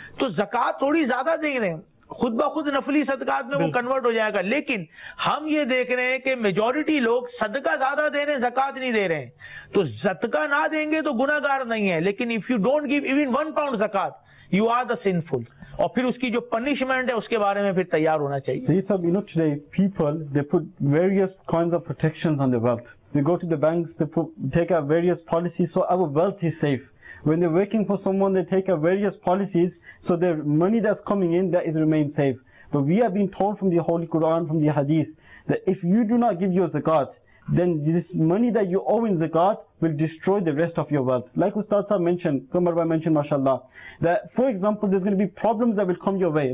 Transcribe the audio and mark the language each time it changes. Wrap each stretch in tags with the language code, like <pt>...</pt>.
<ur>تو زکات تھوڑی زیادہ دے رہے ہیں, خود بخود نفلی صدقات میں وہ کنورٹ ہو جائے گا. لیکن ہم یہ دیکھ رہے ہیں کہ میجورٹی لوگ صدقہ زیادہ دے رہے ہیں, زکات نہیں دے رہے ہیں. تو صدقہ نہ دیں گے تو گناہگار نہیں ہے, لیکن</ur> <en>If you don't give even 1 pound زکات, you are the sinful.</en> <ur>اور پھر اس کی جو پنشمنٹ ہے اس کے بارے میں پھر تیار ہونا چاہیے.</ur> <en>سب you know today people they put various kinds of protections on the wealth, they go to the banks, they take out various policies so our wealth is safe. When they're working for someone, they take out various policies, so their money that's coming in, that is remain safe. But we have been told from the Holy Quran, from the Hadith, that if you do not give your zakat, then this money that you owe in zakat will destroy the rest of your wealth. Like Ustad Sahib mentioned, Qumar Bhai mentioned, mashallah, that for example, there's going to be problems that will come your way.</en>